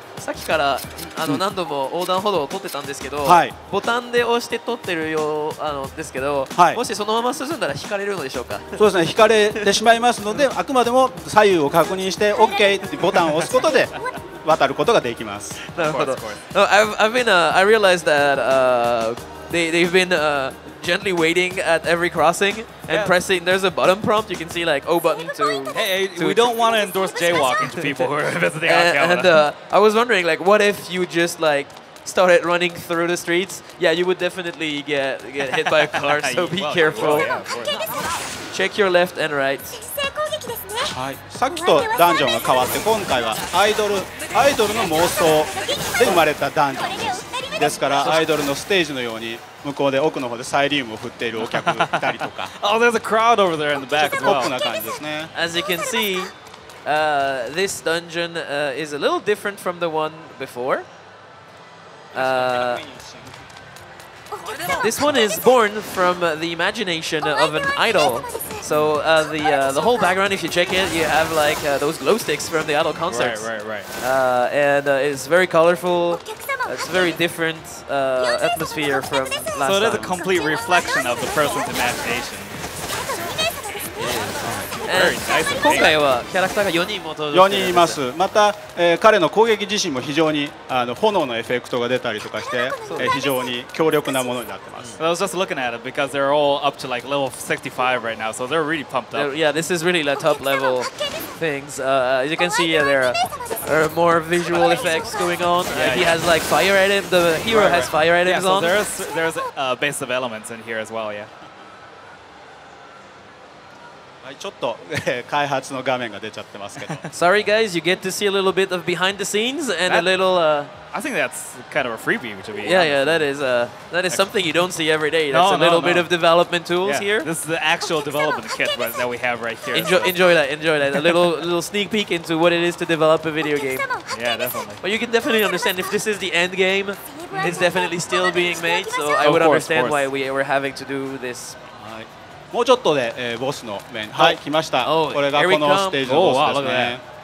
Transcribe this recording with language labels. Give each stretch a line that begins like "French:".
Japanese: さっきからあの何度も横断歩道を撮ってたんですけど、はい、ボタンで押して撮ってるようあのですけど、はい、もしそのまま進んだら引かれるのでしょうか？そうですね、引かれてしまいますのであくまでも左右を確認して OK ってボタンを押すことで渡ることができます。なるほど。
English: I realized that They've been gently waiting at every crossing and pressing. There's a button prompt. You can see like O button to. Hey, we don't want to endorse jaywalking to people who are visiting Akihabara. And I was wondering, like, what if you just like started running through the streets? Yeah, you would definitely get hit by a car. So be careful. Check your left and right.
Japanese: はい、さっきとダンジョンが変わって、今回はアイドルの妄想で生まれたダンジョンです。ですからアイドルのステージのように向こうで奥の方でサイリウムを振っているお客がいたりとか。
English: Oh, there's a crowd over there in the back as well.
Japanese: ポップな感じですね。
English: As you can see, this dungeon is a little different from the one before. This one is born from the imagination of an idol. So the whole background, if you check it, you have like those glow sticks from the idol concerts. Right. And it's very colorful. It's very different atmosphere from last time. So it is a complete reflection of the person's imagination. Yeah. Very nice.
Japanese: 今回はキャラクターが4人も登場して4人います。また、彼の攻撃自身も非常にあの炎のエフェクトが出たりとかして、非常に強力なものになってます。
English: I was just looking at it because they're all up to like level 65 right now, so they're really pumped up. Yeah, this is really the top level things. As you can see, there are more visual effects going on. He has like fire items, the hero has fire items on. Yeah, so there's a base of elements in here as well, yeah.
Japanese: はい、ちょっと開発の画面が出ちゃってますけど。
English: Sorry guys, you get to see a little bit of behind the scenes and a little... I think that's kind of a freebie, which would be... Yeah, yeah, that is something you don't see every day. That's bit of development tools here. This is the actual development kit that we have right here. Enjoy that. A little sneak peek into what it is to develop a video game. Yeah, definitely. But you can definitely understand if this is the end game, it's definitely still being made, so I would understand why we were having to do this.
Japanese: もうちょっとで、ボスの面、はい、来ました。これがこのステージのボスですね。